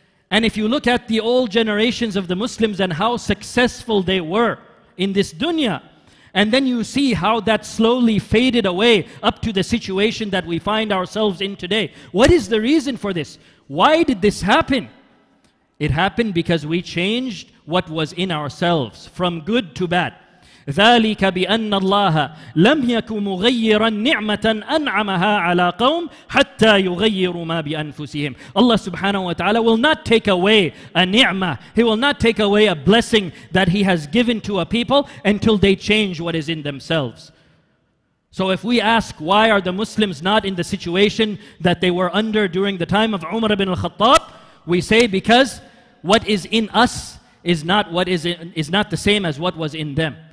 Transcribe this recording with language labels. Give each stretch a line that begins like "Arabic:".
English: And if you look at the old generations of the Muslims and how successful they were in this dunya, and then you see how that slowly faded away up to the situation that we find ourselves in today. What is the reason for this? Why did this happen? It happened because we changed what was in ourselves from good to bad.
Arabic: ذَلِكَ بِأَنَّ اللَّهَ لَمْ يَكُ مُغَيِّرًا نِعْمَةً أَنْعَمَهَا عَلَىٰ قَوْمٍ حَتَّى يُغَيِّرُ مَا بِأَنفُسِهِمْ
English: Allah subhanahu wa ta'ala will not take away a ni'mah. He will not take away a blessing that He has given to a people until they change what is in themselves. So if we ask, why are the Muslims not in the situation that they were under during the time of Umar ibn al-Khattab, we say because what is in us is not the same as what was in them.